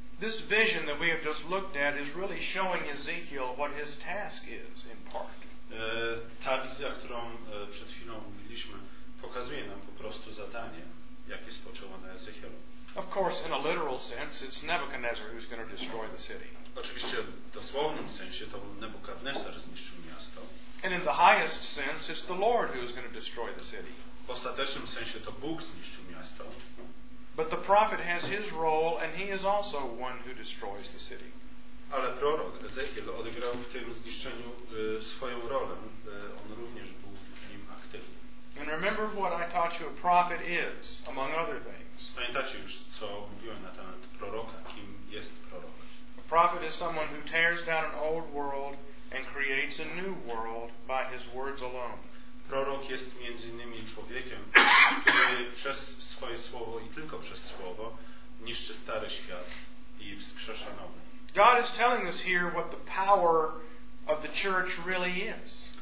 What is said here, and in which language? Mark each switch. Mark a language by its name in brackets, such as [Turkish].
[English] This vision that we have just looked at is really showing Ezekiel what his task is in part. [Polish] Ta wizja, którą przed chwilą mówiliśmy, pokazuje nam po prostu zadanie, jakie spoczęło na Ezechielu. [English] Of course, in a literal sense, it's Nebuchadnezzar who's going to destroy the city. [Polish] Oczywiście w dosłownym sensie to Nebukadnesar zniszczył miasto. [English] And in the highest sense, it's the Lord who is going to destroy the city. [Polish] W ostatecznym sensie to Bóg zniszczył miasto. [English] But the prophet has his role, and he is also one who destroys the city. [Polish] Ale prorok Ezechiel odegrał w tym zniszczeniu swoją rolę. On również był w nim aktywny. [English] And remember what I taught you a prophet is, among other things. [Polish] Pamiętacie już, co mówiłem na temat proroka, kim jest prorok. [English] A prophet is someone who tears down an old world and creates a new world by his words alone. [Polish] Prorok jest między innymi człowiekiem, który przez swoje słowo i tylko przez słowo niszczy stary świat i wskrzesza nowy. [English] God is telling us here what the power of the church really is.